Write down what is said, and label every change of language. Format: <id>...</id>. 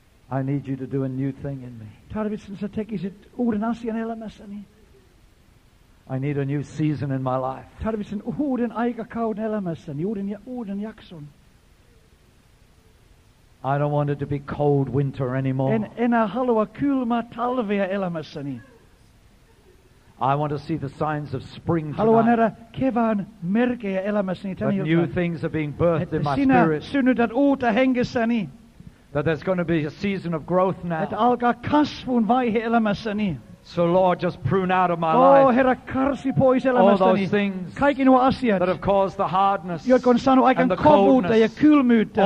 <en>I need you to do a new thing in me.</en> <fi>Tarvitsen, että tekisit uuden asian elämässäni.</fi> <en>I need a new season in my life.</en> <fi>Tarvitsen uuden aikakauden elämässäni, uuden jakson.</fi> <en>I don't want it to be cold winter anymore.</en> <fi>En enää halua kylmää talvea elämässäni.</fi> <en>I want to see the signs of spring tonight.</en> <fi>Haluan nähdä kevään merkkejä elämässäni tänä iltana.</fi> <en>New things are being birthed in my spirit.</en> <fi>Sinä synnytät uutta hengessäni.</fi> <en>That there's going to be a season of growth now.</en> <fi>Että alkaa kasvun vaihe elämässäni.</fi> <en>So Lord, just prune out of my life.</en> <fi>Oh, Herra, karsi pois elämästäni. Kaikki nuo asiat.</fi> <en>That have caused the hardness.</en> <fi>Jotka on saanut aikaan kovuutta ja kylmyyttä.</fi>